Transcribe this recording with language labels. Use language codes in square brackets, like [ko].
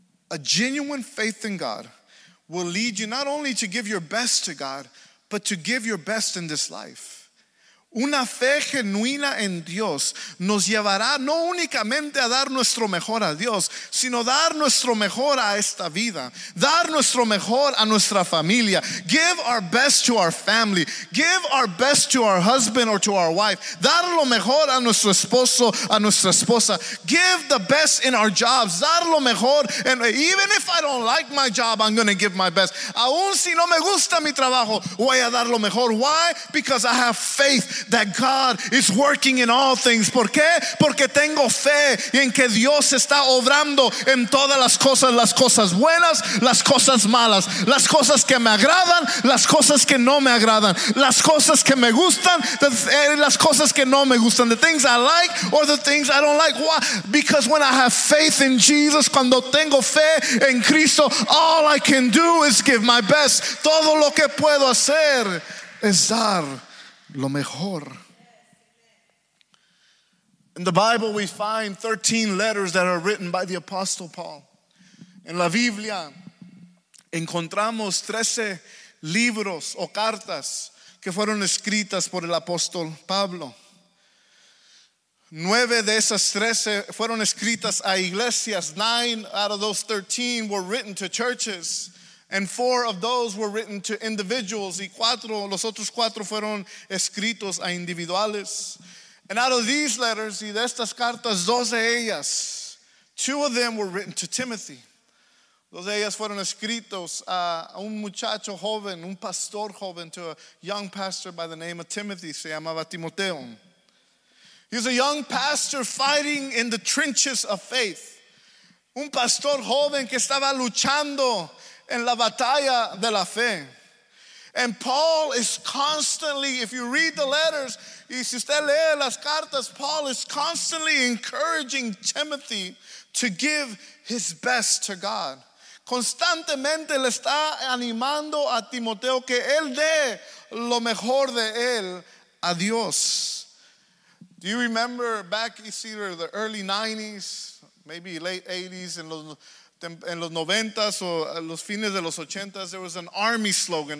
[en] A genuine faith in God will lead you not only to give your best to God, but to give your best in this life. [es] Una fe genuina en Dios nos llevará no únicamente a dar nuestro mejor a Dios, sino dar nuestro mejor a esta vida, dar nuestro mejor a nuestra familia. [en] Give our best to our family. Give our best to our husband or to our wife. [es] Dar lo mejor a nuestro esposo, a nuestra esposa. [en] Give the best in our jobs. [es] Dar lo mejor. [en] And even if I don't like my job, I'm going to give my best. [es] Aún si no me gusta mi trabajo, voy a dar lo mejor. [en] Why? Because I have faith that God is working in all things. [es] ¿Por qué? Porque tengo fe en que Dios está obrando en todas las cosas buenas, las cosas malas, las cosas que me agradan, las cosas que no me agradan, las cosas que me gustan, las cosas que no me gustan, [en] the things I like or the things I don't like. Why? Because when I have faith in Jesus, [es] cuando tengo fe en Cristo, [en] all I can do is give my best. [es] Todo lo que puedo hacer es dar lo mejor. [en] In the Bible, we find 13 letters that are written by the Apostle Paul. [es] En la Biblia, encontramos 13 libros o cartas que fueron escritas por el Apóstol Pablo. 9 de esas 13 fueron escritas a iglesias. [en] 9 out of those 13 were written to churches. And 4 of those were written to individuals. [es] Y 4, los otros 4 fueron escritos a individuales. [en] And out of these letters, [es] y de estas cartas, 2 de ellas, [en] 2 of them were written to Timothy. [es] 2 de ellas fueron escritos a un muchacho joven, un pastor joven, [en] to a young pastor by the name of Timothy. [es] Se llamaba Timoteo. [en] He was a young pastor fighting in the trenches of faith. [es] Un pastor joven que estaba luchando en la batalla de la fe. [en] And Paul is constantly, if you read the letters, [es] y si usted lee las cartas, [en] Paul is constantly encouraging Timothy to give his best to God. [es] Constantemente le está animando a Timoteo que él dé lo mejor de él a Dios. [en] Do you remember back, you see, the early 90s, maybe late 80s, and [es] los en los 90s o los fines de los 80s, [en] there was an army slogan.